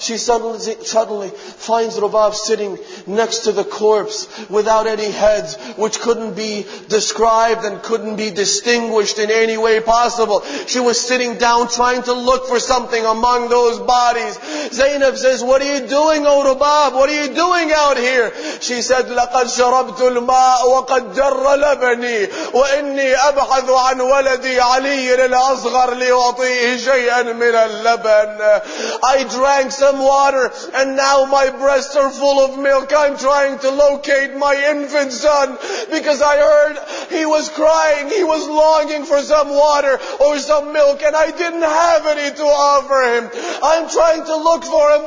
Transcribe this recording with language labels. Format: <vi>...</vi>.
<en>She suddenly finds Rubab sitting next to the corpse without any heads, which couldn't be described and couldn't be distinguished in any way possible. She was sitting down trying to look for something among those bodies. Zainab says, what are you doing, O Rubab? What are you doing out here? She said,</en> <ar>لَقَدْ شَرَبْتُ الْمَاءُ وَقَدْ جَرَّ لَبَنِي وَإِنِّي أَبْحَثُ عَنْ وَلَدِي عَلِيٍّ الْأَصْغَرِ لِيُعْطِيهِ شَيْئًا مِنَ اللَّبَنِ.</ar> <en>I drank some water and now my breasts are full of milk. I'm trying to locate my infant son because I heard he was crying. He was longing for some water or some milk and I didn't have any to offer him. I'm trying to look look for him.</en>